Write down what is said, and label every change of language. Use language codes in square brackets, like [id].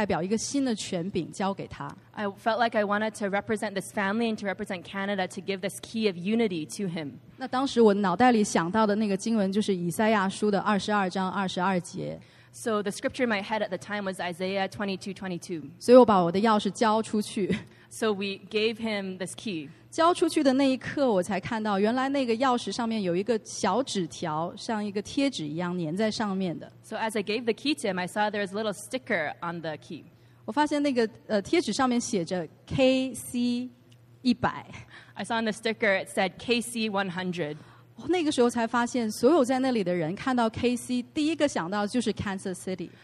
[zh] 但是我就感觉好像要代表加拿大的家人，代表回家，要把这把合一的一个钥匙，代表一个新的权柄交给他。 [en] I felt like I wanted to represent this family and to represent Canada to give this key of unity to him. [zh] 那当时我脑袋里想到的那个经文就是以赛亚书的22章22节。 [en] So the scripture in my head at the time was Isaiah 22:22. [zh] 所以我把我的钥匙交出去。 [en] So we gave him this key. [zh] 交出去的那一刻，我才看到原来那个钥匙上面有一个小纸条，像一个贴纸一样粘在上面的。 [en] So as I gave the key to him, I saw there was a little sticker on the key. [zh] 我发现那个贴纸上面写着 KC100. [en] I saw on the sticker it said KC100. [zh] 那个时候才发现，所有在那里的人看到 KC 第一个想到就是 Kansas City.